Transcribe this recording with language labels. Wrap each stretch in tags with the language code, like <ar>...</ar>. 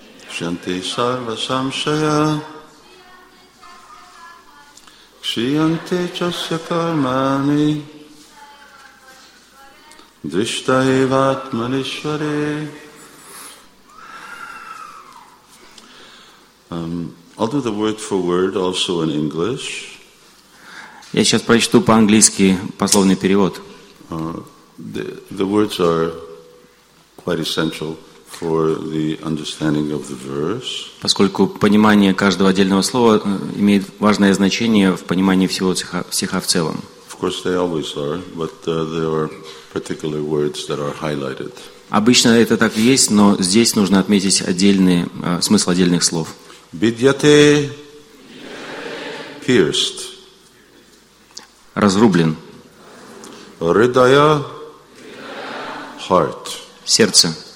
<sa>Шианте сарва самшая, кшианте часа кармани, дришта эватманишваре.</sa> <en>I'll do the word for word also in English.</en> <ru>Я сейчас прочту по-английски пословный перевод.</ru> <en>The words are quite essential. For the understanding of the verse.</en> <ru>Поскольку понимание каждого отдельного слова имеет важное значение в понимании всего стиха в целом.</ru> <en>Of course, they always are, but there are particular words that are highlighted.</en> <ru>Обычно это так и есть, но здесь нужно отметить отдельный смысл отдельных слов.</ru> <sa>Бидьяте,</sa> <en>pierced,</en> <ru>разрублен.</ru> <sa>Рыдая,</sa> <en>heart,</en> <ru>сердце.</ru>